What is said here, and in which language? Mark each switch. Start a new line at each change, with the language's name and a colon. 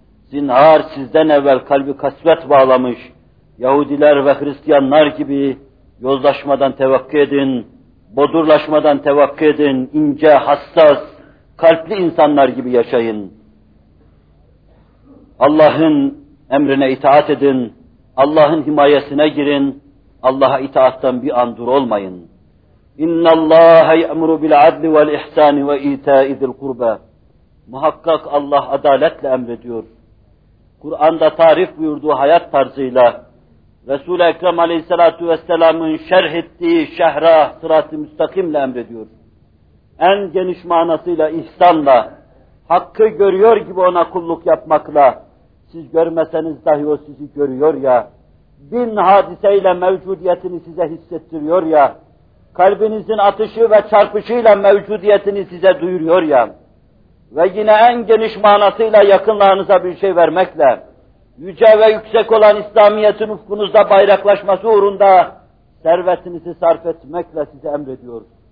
Turkish: Zinhar sizden evvel kalbi kasvet bağlamış Yahudiler ve Hristiyanlar gibi yozlaşmadan tevakkı edin. Bodurlaşmadan tevakkı edin. İnce, hassas, kalpli insanlar gibi yaşayın. Allah'ın emrine itaat edin, Allah'ın himayesine girin, Allah'a itaattan bir an dur olmayın.
Arabic: اِنَّ اللّٰهَ يَأْمُرُ بِالْعَدْلِ وَالْاِحْسَانِ وَاِيْتَاءِ ذِي الْقُرْبَى
Turkish: Muhakkak Allah adaletle emrediyor. Kur'an'da tarif buyurduğu hayat tarzıyla, Resul-i Ekrem aleyhissalatu vesselamın şerh ettiği şehra sırat-ı müstakimle emrediyor. En geniş manasıyla ihsanla, hakkı görüyor gibi ona kulluk yapmakla, siz görmeseniz dahi o sizi görüyor ya, bin hadiseyle mevcudiyetini size hissettiriyor ya, kalbinizin atışı ve çarpışıyla mevcudiyetini size duyuruyor ya, ve yine en geniş manasıyla yakınlarınıza bir şey vermekle, yüce ve yüksek olan İslamiyet'in ufkunuzda bayraklaşması uğrunda servetinizi sarf etmekle size emrediyor.